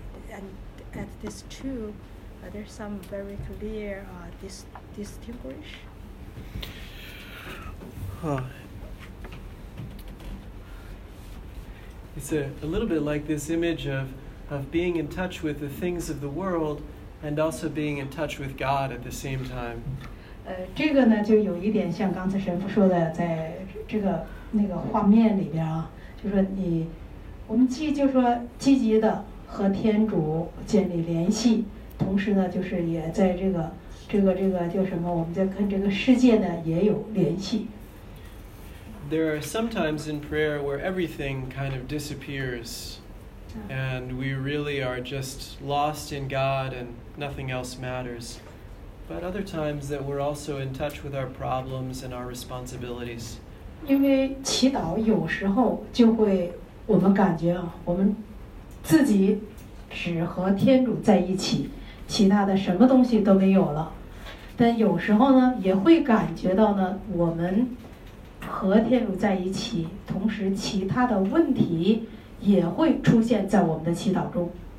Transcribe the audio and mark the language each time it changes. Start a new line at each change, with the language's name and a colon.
English: And at this two,there's some very clear distinguish. It's a little bit like this image of being in touch with the things of the world and also being in touch with God at the same time.
Chinese: 这个呢就有一点像刚才神父说的，在这个那个画面里边啊，就说你，我们既就说积极的和天主建立联系，同时呢就是也在这个叫什么，我们在跟这个世界呢也有联系。
English: There are sometimes in prayer where everything kind of disappears and we really are just lost in God and nothing else matters, but other times that we're also in touch with our problems and our responsibilities.
Chinese: 因为祈祷有时候就会我们感觉我们自己只和天主在一起，其他的什么东西都没有了，但有时候呢也会感觉到呢我们和天主在一起，同时其他的问题也会出现在我们的祈祷中。